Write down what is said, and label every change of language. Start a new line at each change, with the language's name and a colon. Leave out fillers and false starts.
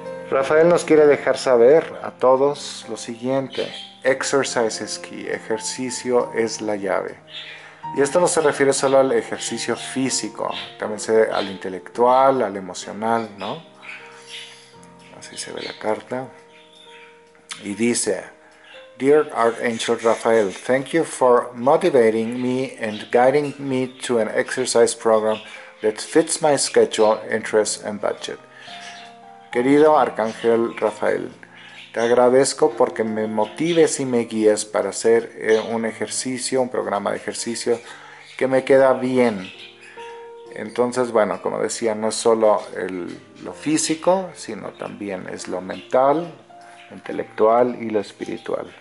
Spanish: Rafael nos quiere dejar saber a todos lo siguiente:
English: exercise is key,
Spanish: ejercicio es la llave. Y esto no se refiere solo al ejercicio físico, también se al intelectual, al emocional, ¿no? Así se ve la carta. Y dice:
English: Dear Archangel Raphael, thank you for motivating me and guiding me to an exercise program that fits my schedule, interests, and budget.
Spanish: Querido Arcángel Rafael, te agradezco porque me motives y me guíes para hacer un ejercicio, un programa de ejercicio que me queda bien. Entonces, bueno, como decía, no es solo lo físico, sino también es lo mental, intelectual y lo espiritual.